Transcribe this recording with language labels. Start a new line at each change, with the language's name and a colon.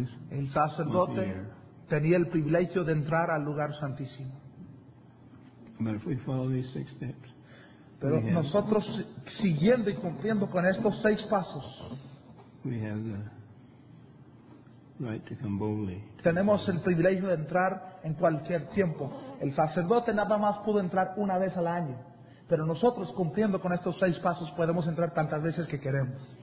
Spanish: El sacerdote tenía el privilegio de entrar al lugar santísimo.
English: But if we follow these six steps,
Spanish: pero nosotros siguiendo y cumpliendo con estos seis pasos,
English: we have the right to come boldly.
Spanish: Tenemos el privilegio de entrar en cualquier tiempo. El sacerdote nada más pudo entrar una vez al año, pero nosotros cumpliendo con estos seis pasos podemos entrar tantas veces que queremos.